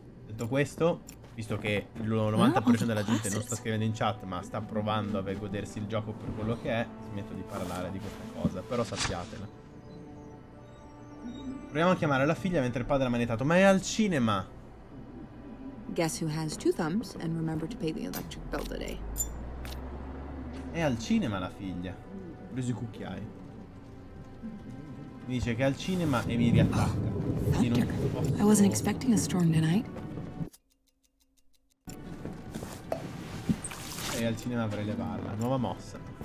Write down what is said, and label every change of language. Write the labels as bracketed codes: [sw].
[it] Detto questo, visto che il 90% della gente non sta scrivendo in chat, ma sta provando a godersi il gioco per quello che è, smetto di parlare di questa cosa, però sappiatela. Proviamo a chiamare la figlia mentre il padre ha manettato, ma è al cinema! [en] Guess who has two thumbs and remember to pay the electric bill today. [it] È al cinema la figlia. Ho preso i cucchiai. Mi dice che è al cinema e mi riattacca. [en] Oh, thunder. I wasn't expecting a storm tonight. [it] È al cinema per elevarla. Nuova mossa.